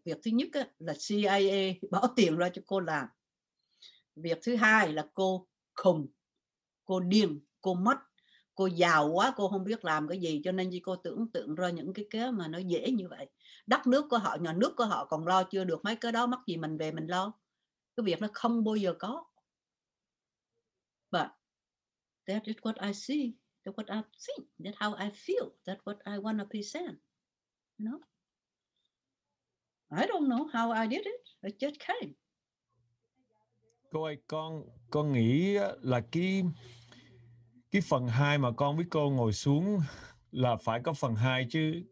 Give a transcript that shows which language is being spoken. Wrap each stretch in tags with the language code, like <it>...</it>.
<vi>Việc thứ nhất là CIA bỏ tiền ra cho cô làm. Việc thứ hai là cô khùng, cô điên, cô mất, cô giàu quá, cô không biết làm cái gì, cho nên cô tưởng tượng ra những cái kế mà nó dễ như vậy. Đất nước của họ, nhà nước của họ còn lo chưa được mấy cái đó, mắc gì mình về mình lo. Cái việc nó không bao giờ có.</vi> <en>But that is what I see, that's what I think, that's how I feel, that's what I want to present. You know? I don't know how I did it, it just came.</en> <vi>Cô ơi, con nghĩ là cái phần 2 mà con với cô ngồi xuống là phải có phần 2 chứ.</vi>